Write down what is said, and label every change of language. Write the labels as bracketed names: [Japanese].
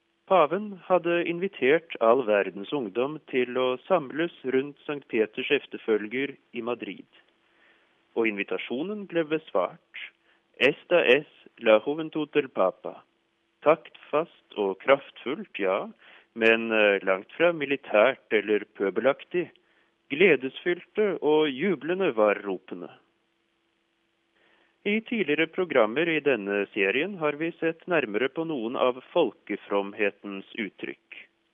[Norwegian] Paven hadde invitert all verdens ungdom til å samles rundt St. Peters efterfølger i Madrid. Og invitasjonen ble besvart. [Spanish] Esta es la juventud del Papa. [Norwegian] Taktfast og kraftfullt, ja, men langt fra militært eller pøbelaktig, gledesfylte og jublende var ropene. I tidligere programmer i denne serien har vi sett nærmere på noen av folkefromhetens uttrykk.